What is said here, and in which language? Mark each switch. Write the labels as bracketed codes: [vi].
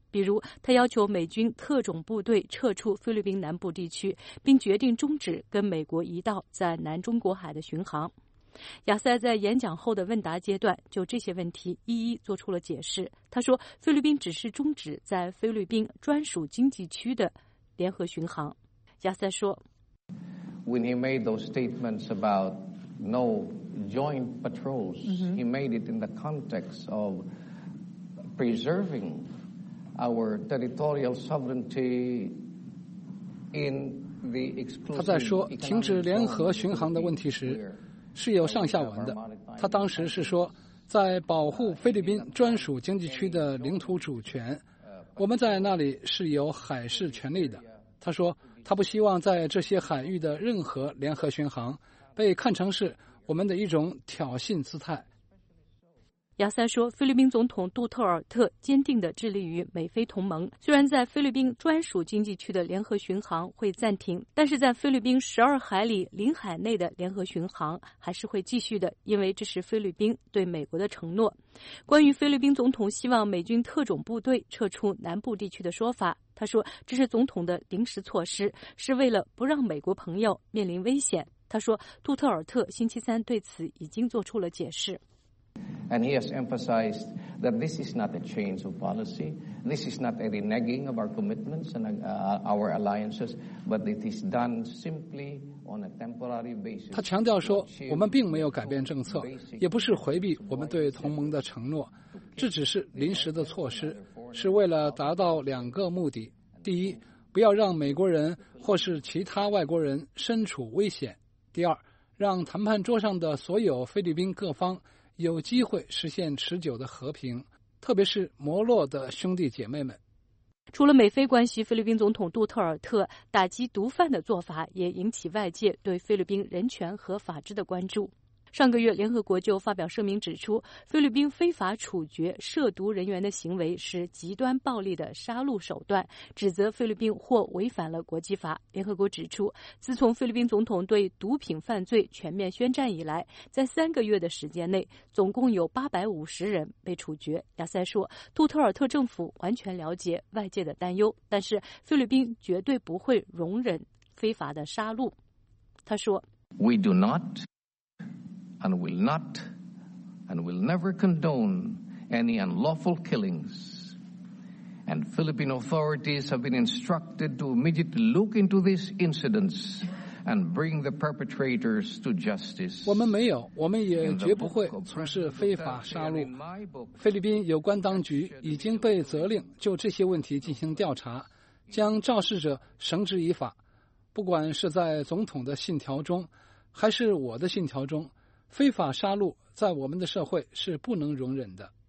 [zh] 比如，他要求美军特种部队撤出菲律宾南部地区，并决定终止跟美国一道在南中国海的巡航。亚塞在演讲后的问答阶段就这些问题一一做出了解释。他说，菲律宾只是终止在菲律宾专属经济区的联合巡航。亚塞说， [en] When he made those statements about no joint patrols, he made it in the context of preserving our territorial sovereignty in the exclusive. [zh] 他在说停止联合巡航的问题时是有上下文的。他当时是说，在保护菲律宾专属经济区的领土主权，我们在那里是有海事权利的。他说，他不希望在这些海域的任何联合巡航被看成是我们的一种挑衅姿态。亚塞说，菲律宾总统杜特尔特坚定地致力于美菲同盟，虽然在菲律宾专属经济区的联合巡航会暂停，但是在菲律宾12海里领海内的联合巡航还是会继续的，因为这是菲律宾对美国的承诺。关于菲律宾总统希望美军特种部队撤出南部地区的说法，他说这是总统的临时措施，是为了不让美国朋友面临危险。他说，杜特尔特星期三对此已经做出了解释。 [en] And he has emphasized that this is not a change of policy. This is not a reneging of our commitments and our alliances, but it is done simply on a temporary basis. [zh] 他强调说，我们并没有改变政策，也不是回避我们对同盟的承诺，这只是临时的措施，是为了达到两个目的：第一，不要让美国人或是其他外国人身处危险；第二，让谈判桌上的所有菲律宾各方有机会实现持久的和平，特别是摩洛的兄弟姐妹们。除了美菲关系，菲律宾总统杜特尔特打击毒贩的做法也引起外界对菲律宾人权和法治的关注。上个月，联合国就发表声明指出，菲律宾非法处决涉毒人员的行为是极端暴力的杀戮手段，指责菲律宾或违反了国际法。联合国指出，自从菲律宾总统对毒品犯罪全面宣战以来，在三个月的时间内，总共有850人被处决。亚塞说，杜特尔特政府完全了解外界的担忧，但是菲律宾绝对不会容忍非法的杀戮。他说 [en] We do notAnd will not and will never condone any unlawful killings. And Philippine authorities have been instructed to immediately look into these incidents and bring the perpetrators to justice. [zh] 我们没有，我们也绝不会从事非法杀戮。菲律宾有关当局已经被责令就这些问题进行调查，将肇事者绳之以法。不管是在总统的信条中，还是我的信条中，非法杀戮在我们的社会是不能容忍的。